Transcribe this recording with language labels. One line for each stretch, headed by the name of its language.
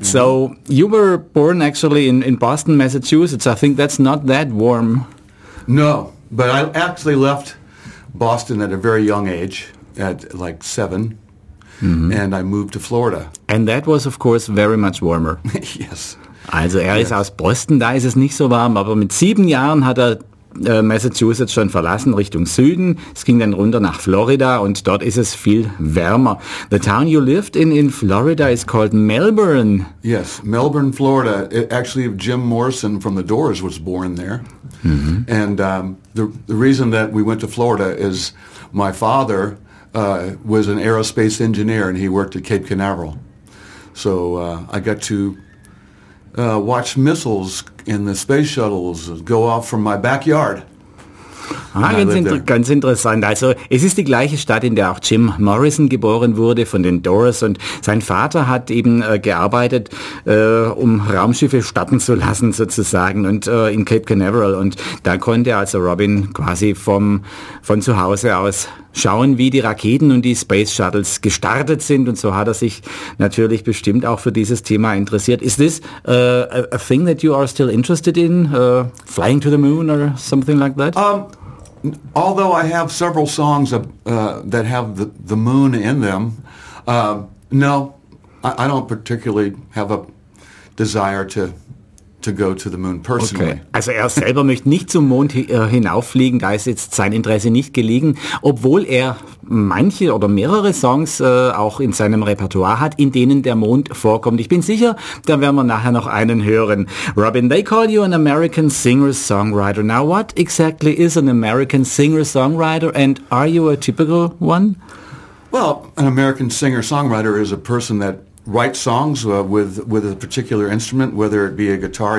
English: Mm-hmm. So you were born actually in Boston, Massachusetts. I think that's not that warm. No, but I actually left Boston at a very young age, at like 7. Mm-hmm. And I moved to Florida. And that was, of course, very much warmer. Yes.
German: Also ist aus Boston, da ist es nicht so warm, aber mit 7 Jahren hat er Massachusetts schon verlassen, Richtung Süden. Es ging dann runter nach Florida und dort ist es viel wärmer.
English: The town you lived in Florida is called Melbourne. Yes, Melbourne, Florida. Actually, Jim Morrison from The Doors was born there. Mm-hmm. And the reason that we went to Florida is my father was an aerospace engineer and he worked at Cape Canaveral. So I got to watch missiles in the space shuttles go off from my backyard.
German: Ganz interessant. Also es ist die gleiche Stadt, in der auch Jim Morrison geboren wurde von den Doors. Und sein Vater hat eben gearbeitet, um Raumschiffe starten zu lassen sozusagen und in Cape Canaveral. Und da konnte also Robin quasi von zu Hause aus schauen, wie die Raketen und die Space Shuttles gestartet sind. Und so hat er sich natürlich bestimmt auch für dieses Thema interessiert.
English: Is this a thing that you are still interested in, flying to the moon or something like that? Although I have several songs that have the moon in them, no, I don't particularly have a desire to go to the moon personally. Okay.
German: Also er selber möchte nicht zum Mond hinauffliegen, da ist jetzt sein Interesse nicht gelegen, obwohl er manche oder mehrere Songs auch in seinem Repertoire hat, in denen der Mond vorkommt. Ich bin sicher, da werden wir nachher noch einen hören.
English: Robin, they call you an American singer-songwriter. Now, what exactly is an American singer-songwriter and are you a typical one? Well, an American singer-songwriter is a person that write songs with a particular instrument, whether it be a guitar.